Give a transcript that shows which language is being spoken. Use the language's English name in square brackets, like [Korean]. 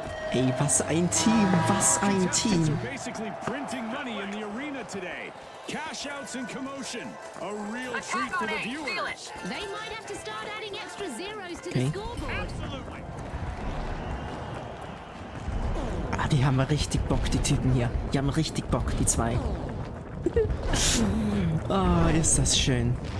[German] Hey, was ein Team, was ein Team. [English] They're basically printing money in the arena today. Cash outs and commotion. A real treat for the viewers. They might have to start adding extra zeros to the scoreboard. Absolutely. [German] Ah, die haben richtig Bock, die Typen hier. Die haben richtig Bock, die zwei. Ah, oh, ist das schön.